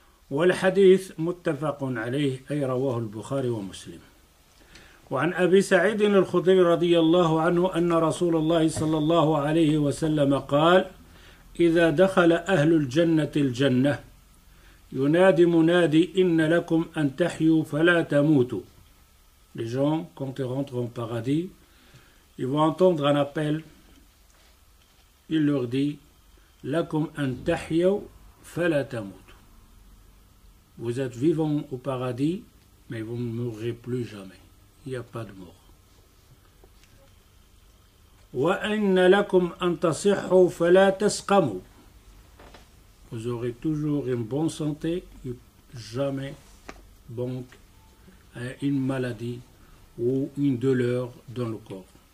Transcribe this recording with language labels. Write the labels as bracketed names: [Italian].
[Arabic] والحديث متفق عليه أي رواه البخاري ومسلم وعن أبي سعيد الخدري رضي الله عنه أن رسول الله صلى الله عليه وسلم قال إذا دخل أهل الجنة الجنة ينادي منادي إن لكم أن تحيوا فلا تموتوا. [French] Les gens quand ils rentrent au paradis, ils vont entendre un appel. Il leur dit [Arabic] لكم أن تحيوا فلا تموتوا. [French] Vous êtes vivant au paradis, mais vous ne mourrez plus jamais. Il n'y a pas de mort. [Arabic] وَإِنَّ لَكُمْ أَن تَصِحُوا فَلَا تَسْقَمُوا. [French] Vous aurez toujours une bonne santé, jamais donc une maladie ou une douleur dans le corps.